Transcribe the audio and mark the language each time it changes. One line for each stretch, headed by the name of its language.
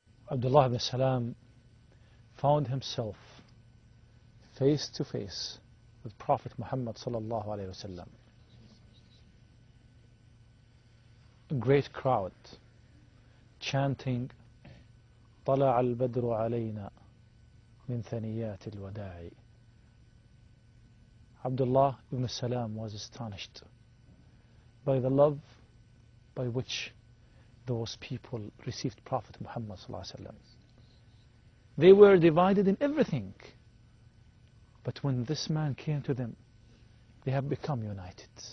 English: Abdullah ibn Salam found himself face to face with Prophet Muhammad sallallahu alaihi wasallam. A great crowd chanting
Arabic: طَلَعَ الْبَدْرُ عَلَيْنَا مِنْ ثَنِيَاتِ الْوَدَاعِ.
English: Abdullah ibn Salam was astonished by the love by which those people received Prophet Muhammad sallallahu alaihi wasallam. They were divided in everything, but when this man came to them, they have become united.